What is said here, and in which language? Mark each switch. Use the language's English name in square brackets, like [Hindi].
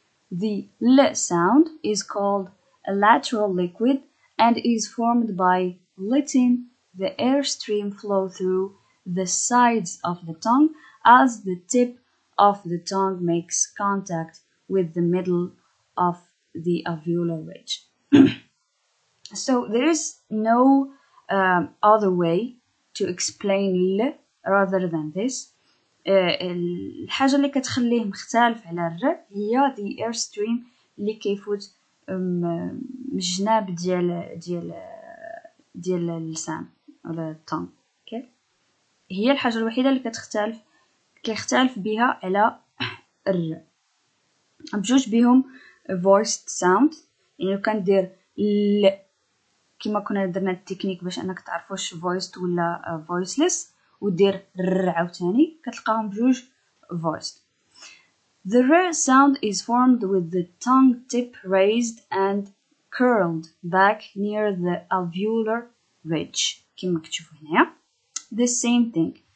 [English] The L sound is called a lateral liquid and is formed by letting the airstream flow through the sides of the tongue as the tip of the tongue makes contact with the middle of the alveolar ridge. So there is no other way to explain ل rather than this. [Arabic] الحاجة اللي كتخليه مختلف على الر هي [English] the airstream [Arabic] اللي كيفوت من جناب ديال ديال ديال اللسان ولا الطن. اوكي هي الحاجة الوحيدة اللي كيختلف بها على الر. بجوج بهم voiced sound. يعني كان دير ل كما كنا درنا التكنيك باش انك تعرفوش voiced ولا voiceless ودير رع عاوتاني كتلقاهم بجوج voiced. [English] The r sound is formed with the tongue tip raised and curled back near the alveolar ridge [Arabic] كما كتشوفوا هنا. [English] The same thing.